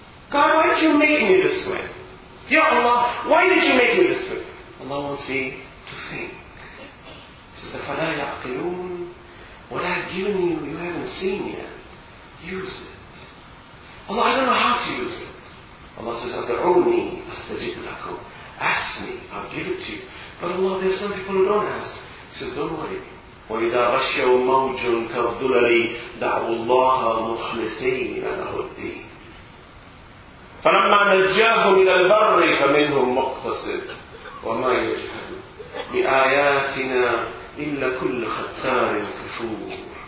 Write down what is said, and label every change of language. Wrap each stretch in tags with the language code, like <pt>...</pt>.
<en>God, why did you make me this way? Ya Allah, why did you make me this way? Allah wants me to think. He says,</en> <ar>فَلَا يَعْقِلُونَ.</ar> <en>What I've given you, you haven't seen yet. Use it. Allah, I don't know how to use it. Allah says,</en> <ar>أَدْعُونِي أَسْتَجِبْ لَكُمْ.</ar> <en>Ask me, I'll give it to you. But Allah, there are some people who don't ask. He says, don't worry.</en> <ar>وَإِذَا غَشَّوْا مَوْجٌ كَالظُّلَلِ دَعُوا اللَّهَ مُخْلِصِينَ لَهُ الدِّينَ فَلَمَّا نَجَّاهُمْ إِلَى الْبَرِّ فَمِنْهُمْ مُقْتَصِدٌ وَمَا يَجْحَدُ بِآيَاتِنَا إِلَّا كُلَّ خَتَّارٍ كَفُورٍ.</ar>